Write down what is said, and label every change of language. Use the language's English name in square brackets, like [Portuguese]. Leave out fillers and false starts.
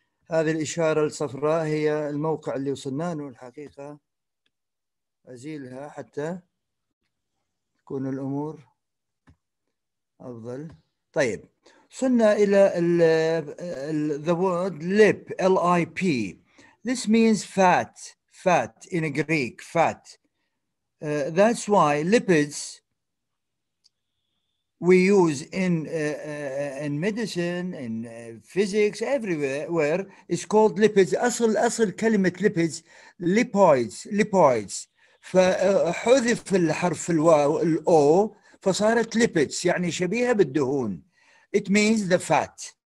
[Arabic] هذه الإشارة الصفراء هي الموقع اللي وصلناه، والحقيقة أزيلها حتى تكون الأمور أفضل. طيب، صلنا إلى ال [English] the word lip, L-I-P. This means fat. Fat in Greek, fat. That's why lipids we use in medicine, in physics, everywhere is called lipids. [Arabic] أصل كلمة lipids lipoids. فحذف الحرف الواو الأو فصارت lipids، يعني شبيهة بالدهون. [English] It means the fat.